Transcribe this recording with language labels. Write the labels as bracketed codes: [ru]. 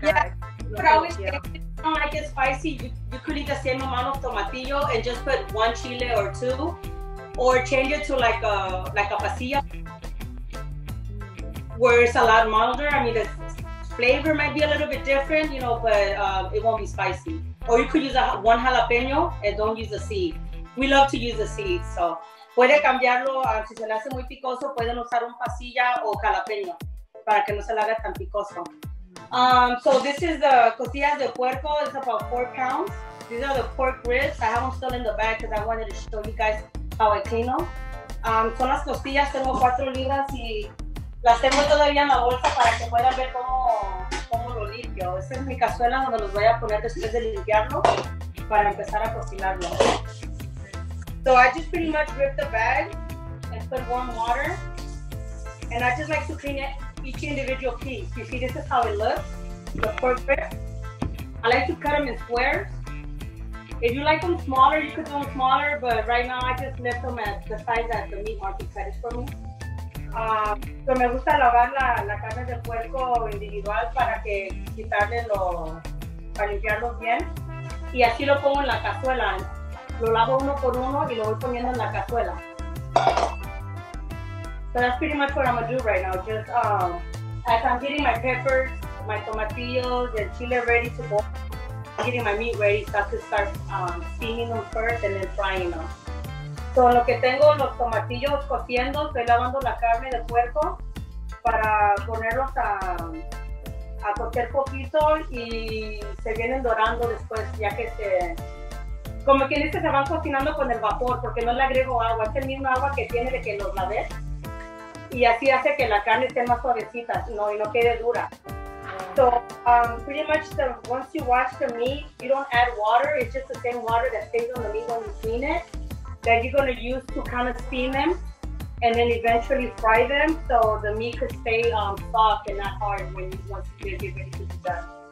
[en] Yeah, but I always say, if you don't like it spicy, you could eat the same amount of tomatillo and just put one chile or two, or change it to like a pasilla, where it's a lot milder. I mean, the flavor might be a little bit different, you know, but it won't be spicy. Or you could use one jalapeno and don't use the seed. We love to use the seed, so. [es] Puede cambiarlo, si se le hace muy picoso, pueden usar un pasilla o jalapeño para que no se le haga tan picoso. [en] So this is the costillas de puerco. It's about 4 pounds. These are the pork ribs. I have them still in the bag because I wanted to show you guys how I clean them. [es] Son las costillas, tengo 4 libras y las tengo todavía en la bolsa para que puedan ver cómo lo limpio. Esta es mi cazuela donde los voy a poner después de limpiarlo para empezar a cocinarlo. [en] So I just pretty much rip the bag and put warm water. And I just like to clean it, each individual piece. You see, this is how it looks, the pork rib. I like to cut them in squares. If you like them smaller, you could do them smaller, but right now I just lift them at the size that the meat market cut it for me. [es] So me gusta lavar la carne de puerco individual para que quitarle lo, para limpiarlo bien. Y así lo pongo en la cazuela. Lo lavo uno por uno y lo voy poniendo en la cazuela. [en] So that's pretty much what I'm gonna do right now. Just as I'm getting my peppers, my tomatillos, and chile ready to boil, I'm getting my meat ready so I can start steaming them first and then frying them. [es] So lo que tengo los tomatillos cociendo, estoy lavando la carne de puerco para ponerlos a cocer poquito y se vienen dorando después ya que se... Como quien dice, se van cocinando con el vapor, porque no le agrego agua, es el mismo agua que tiene de que los lavé. Y así hace que la carne esté más suavecita, no, y no quede dura. [en] So, pretty much, once you wash the meat, you don't add water, it's just the same water that stays on the meat when you clean it, that you're going to use to kind of steam them, and then eventually fry them, so the meat could stay soft and not hard when you want to get ready to be done.